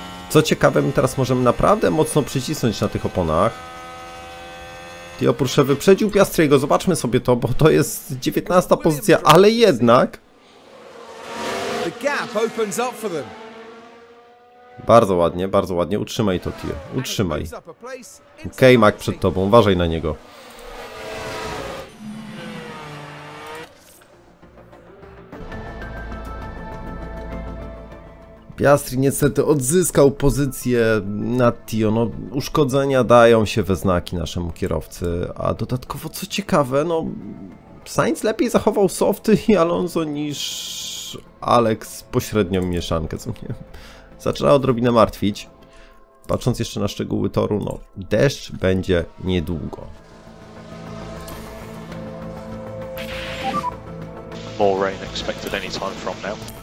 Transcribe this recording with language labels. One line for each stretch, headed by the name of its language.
Polish: Co ciekawe, my teraz możemy naprawdę mocno przycisnąć na tych oponach. I oprócz tego wyprzedził Piastriego, zobaczmy sobie to, bo to jest 19 pozycja, ale jednak.
English: The gap opens up for them.
Polish: Bardzo ładnie. Utrzymaj to, Tio. Utrzymaj. Okej, Mac przed tobą. Uważaj na niego. Piastri niestety odzyskał pozycję nad Tio. No, uszkodzenia dają się we znaki naszemu kierowcy. A dodatkowo, co ciekawe, no Sainz lepiej zachował softy i Alonso niż Alex pośrednią mieszankę, co mnie zaczyna odrobinę martwić. Patrząc jeszcze na szczegóły toru, no deszcz będzie niedługo.
English: More rain expected any time from now.